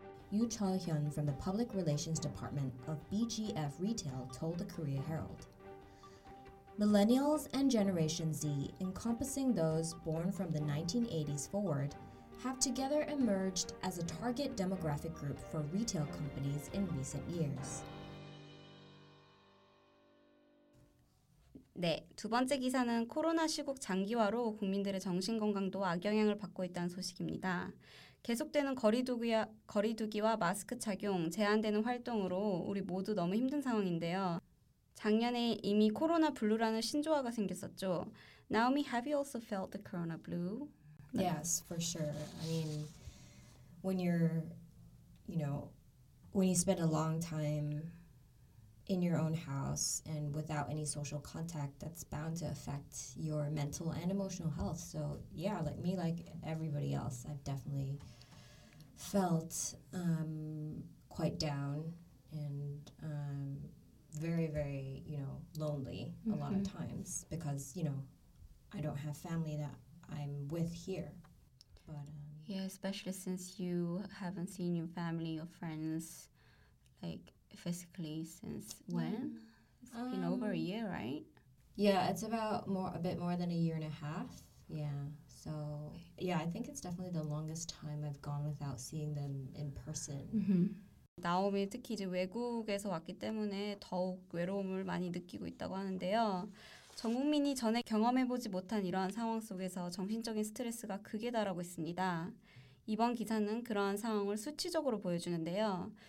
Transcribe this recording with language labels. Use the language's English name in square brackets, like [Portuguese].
[English] Yoo Chul-hyun from the Public Relations Department of BGF Retail told the Korea Herald. Millennials and Generation Z, encompassing those born from the 1980s forward, have together emerged as a target demographic group for retail companies in recent years. [Korean] 네, 두 번째 기사는 코로나 시국 장기화로 국민들의 정신건강도 악영향을 받고 있다는 소식입니다. 계속되는 거리두기와 마스크 착용, 제한되는 활동으로 우리 모두 너무 힘든 상황인데요. 작년에 이미 코로나 블루라는 신조어가 생겼었죠. [English] Naomi, have you also felt the corona blue? Yes, for sure. I mean, when you're, you know, when you spend a long time in your own house and without any social contact, that's bound to affect your mental and emotional health. So yeah, like me, like everybody else, I've definitely felt quite down and very, very, you know, lonely mm-hmm. a lot of times because, you know, I don't have family that I'm with here. But yeah, especially since you haven't seen your family or friends, like, physically since when? Yeah. It's been over a year, right? Yeah, it's about a bit more than a year and a half. Yeah, so, yeah, I think it's definitely the longest time I've gone without seeing them in person. Mm-hmm. [Korean] Naomi, 특히 이제 외국에서 왔기 때문에 더욱 외로움을 많이 느끼고 있다고 하는데요. 전 국민이 전에 경험해보지 못한 이러한 상황 속에서 정신적인 스트레스가 극에 달하고 있습니다. 이번 기사는 그러한 상황을 수치적으로 보여주는데요.